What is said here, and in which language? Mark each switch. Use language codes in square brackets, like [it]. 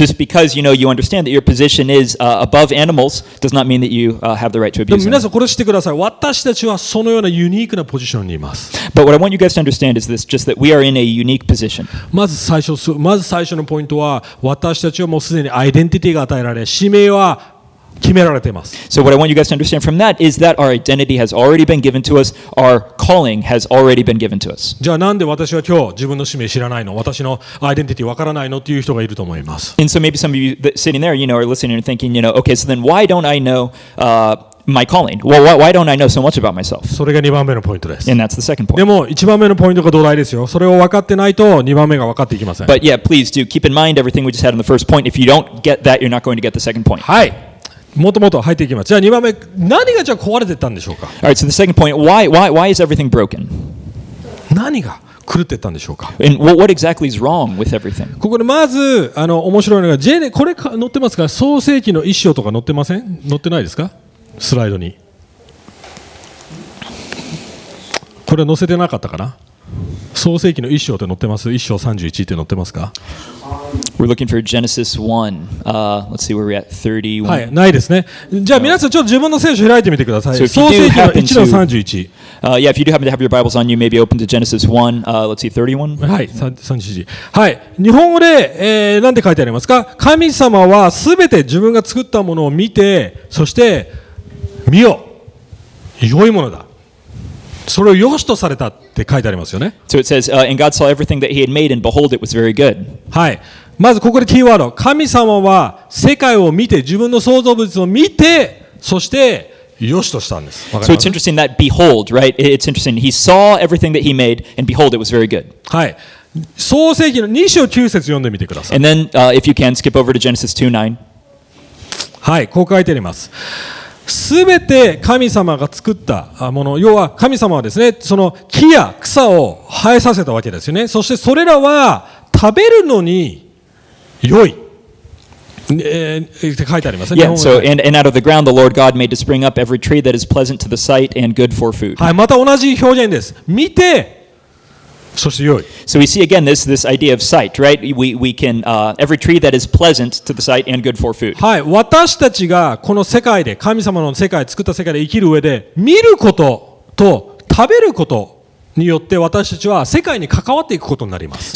[en] Just because you know you understand that your position is above animals does not mean that you have the right to abuse them. [ja] でも皆さんこれ知ってください。私たちはそのようなユニークなポジションにいます。 [en] But what I want you guys to understand is this: just that we are in a unique position. [ja] まず最初のポイントは私たちはもうすでにアイデンティティが与えられ、使命は決められています。 [en] So what I want you guys to understand from that is that our identity has already been given to us. Our calling has already been given to us. [ja] じゃあなんで私は今日自分の使命知らないの、私のアイデンティティわからないのっていう人がいると思います。 [en] And so maybe some of you sitting there, you know, are listening and thinking, you know, okay, so then why don't I know my calling? Well, why don't I know so much about myself? [ja] それが2番目のポイントです。 [en] And that's the second point. [ja] でも1番目のポイントが土台ですよ。それを分かってないと2番目が分かっていきません。 [en] But yeah, please do keep in mind everything we just had in the first point. If you don't get that, you're not going to get the second point. [ja] はい。もっともっと入っていきます。じゃあ2番目、何がじゃあ壊れてったんでしょうか。 All right, so the second point, why is everything broken? 何が狂ってったんでしょうか。 And what exactly is wrong with everything? ここでまず、面白いのが、これ載ってますか？創世記の一章とか載ってません？載ってないですか？スライドに。これ載せてなかったかな？創世記の一章って載ってます？一章31って載ってますか？ [en] We're looking for Genesis 1. Let's see where we're at. 31. [ja] はい、ないですね。じゃあ皆さんちょっと自分の聖書開いてみてください。創世記の1の31。 [en] If you do happen to have your Bibles on you, maybe open to Genesis 1. Let's see, 31. [ja] はい、31。はい、日本語で、なんて書いてありますか？神様はすべて自分が作ったものを見て、そして見よ、良いものだ。それを良しとされたって書いてありますよね。 [en] So it says, and God saw everything that he had made, and behold, it was very good. [ja] はい。まずここでキーワード。神様は世界を見て、自分の創造物を見て、そして、良しとしたんです。わかります? [en] So it's interesting that behold, right? It's interesting. He saw everything that he made, and behold, it was very good. [ja] はい。創世記の2章9節読んでみてください。 [en] And then, if you can, skip over to Genesis 2:9. [ja] はい。こう書いてあります。すべて神様が作ったもの、要は神様はですね、その木や草を生えさせたわけですよね。そしてそれらは食べるのに良い。 [en] Yeah, so and out of the ground the Lord God made to spring up every tree that is pleasant to the sight and good for food. [ja] はい、また同じ表現です。見て、そして良い。 [en] So we see again this idea of sight, right? We can every tree that is pleasant to the sight and good for food. [ja] はい、私たちがこの世界で神様の世界作った世界で生きる上で見ることと食べること。によって私たちは世界に関わっていくことになります。